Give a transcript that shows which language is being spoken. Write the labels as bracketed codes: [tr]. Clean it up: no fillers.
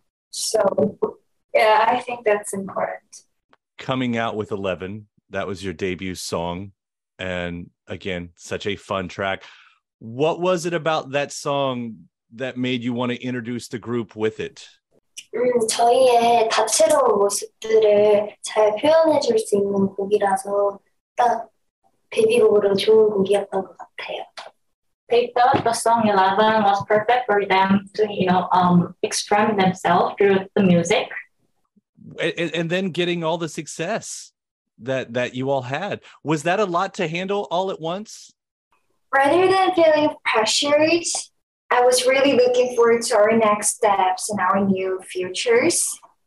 [en] So, yeah, I think that's important. Coming out with 11, that was your debut song, and again, such a fun track. What was it about that song that made you want to introduce the group with it? [ko] 저희의 다채로운 모습들을 잘 표현해 줄 수 있는 곡이라서 딱 데뷔곡으로 좋은 곡이었던 것 같아요. [en] They thought the song 11 was perfect for them to, you know, express themselves through the music. And then getting all the success that you all had. Was that a lot to handle all at once? Rather than feeling pressured, I was really looking forward to our next steps and our new futures.